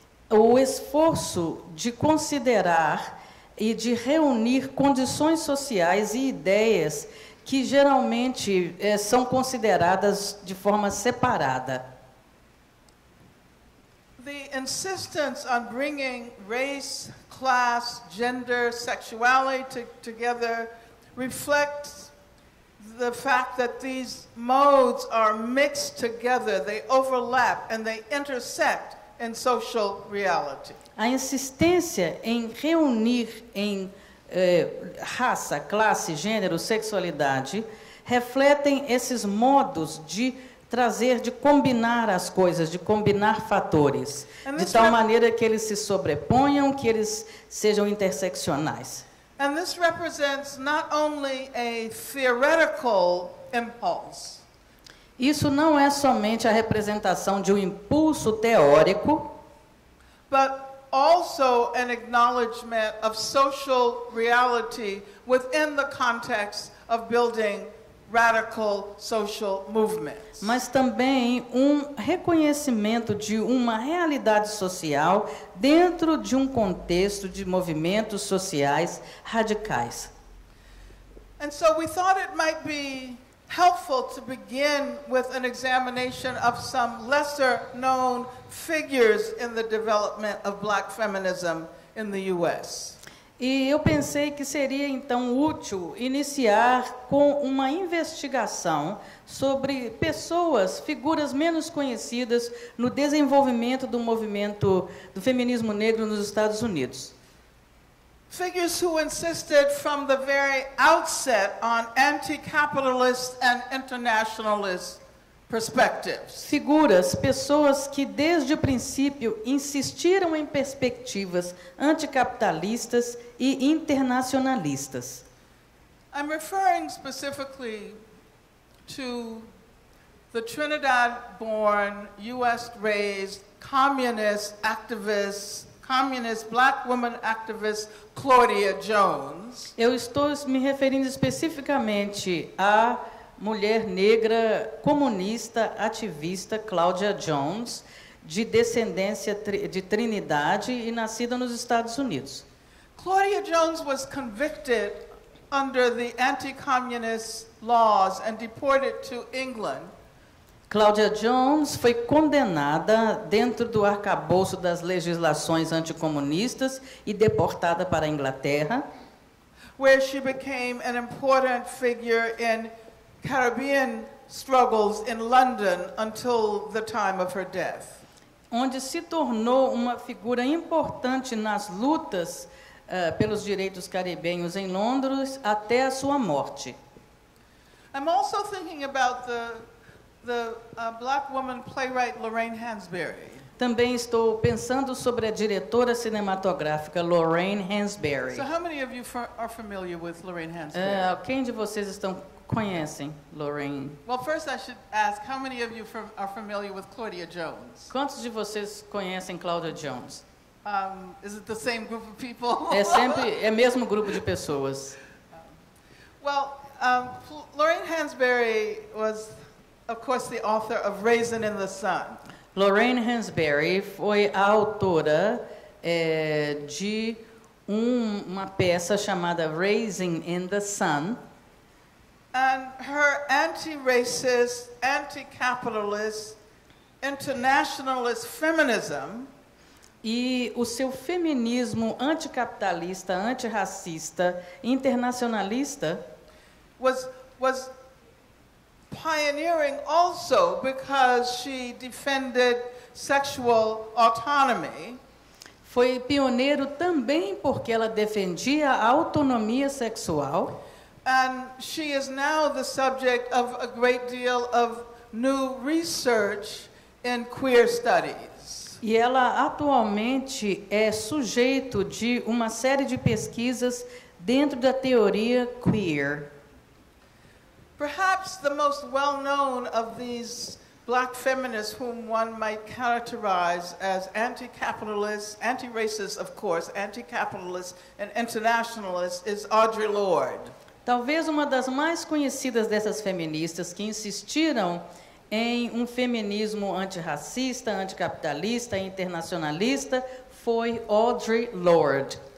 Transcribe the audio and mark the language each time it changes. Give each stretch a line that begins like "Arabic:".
Portuguese: O esforço de considerar e de reunir condições sociais e ideias que geralmente são consideradas de forma separada.
English: The insistence on bringing race, class, gender, sexuality together reflects the fact that these modes are mixed together, they overlap and they intersect in social reality.
Portuguese: A insistência em reunir em raça, classe, gênero, sexualidade, refletem esses modos de trazer, de combinar as coisas, de combinar fatores, de tal maneira que eles se sobreponham, que eles sejam interseccionais.
English: And this represents not only a theoretical impulse.
Portuguese: Isso não é somente a representação de um impulso teórico,
English: but also an acknowledgement of social reality within the context of building radical social movements.
Portuguese: Mas também um reconhecimento de uma realidade social dentro de um contexto de movimentos sociais radicais.
English: And so we thought it might be helpful to begin with an examination of some lesser known figures in the development of black feminism in the US.
Portuguese: E eu pensei que seria então útil iniciar com uma investigação sobre pessoas, figuras menos conhecidas no desenvolvimento do movimento do feminismo negro nos Estados Unidos.
English: Figures who insisted from the very outset on anti-capitalist and internationalist perspectives.
Portuguese: Figuras, pessoas que desde o princípio insistiram em perspectivas anticapitalistas e internacionalistas.
English: I'm referring specifically to the Trinidad-born, US-raised communist activist communist black woman activist Claudia Jones.
Portuguese: Eu estou me referindo especificamente à mulher negra comunista ativista Claudia Jones, de descendência de Trinidade e nascida nos Estados Unidos.
English: Claudia Jones was convicted under the anti-communist laws and deported to England.
Portuguese: Claudia Jones foi condenada dentro do arcabouço das legislações anticomunistas e deportada para a Inglaterra,
English: where she became an important figure in Caribbean struggles in London until the time of her death.
Portuguese: Onde se tornou uma figura importante nas lutas pelos direitos caribenhos em Londres até a sua morte.
English: I'm also thinking about the black woman playwright Lorraine Hansberry.
Portuguese: Também estou pensando sobre a diretora cinematográfica Lorraine Hansberry.
English: So how many of you are familiar with Lorraine Hansberry?
Portuguese: Quem de vocês estão conhecem Lorraine?
English: Well, first I should ask how many of you are familiar with Claudia Jones?
Portuguese: Quantos de vocês conhecem Claudia Jones?
English: Is it the same group of people?
Portuguese: É sempre mesmo grupo de pessoas.
English: Well, Lorraine Hansberry was of course the author of Raisin in the Sun.
Portuguese: Lorraine Hansberry foi a autora de uma peça chamada Raisin in the Sun.
English: And her anti-racist, anti-capitalist, internationalist feminism.
Portuguese: E o seu feminismo anticapitalista, antirracista, internacionalista
English: was pioneering also because she defended sexual autonomy.
Portuguese: Foi pioneiro também porque ela defendia a autonomia sexual.
English: And she is now the subject of a great deal of new research in queer studies.
Portuguese: E ela atualmente é sujeito de uma série de pesquisas dentro da teoria queer.
English: Perhaps the most well-known of these black feminists whom one might characterize as anti-capitalist, anti-racist, of course, anti-capitalist and internationalist is Audre Lorde.
Portuguese: Talvez uma das mais conhecidas dessas feministas que insistiram em um feminismo antirracista, anticapitalista, internacionalista foi Audre Lorde.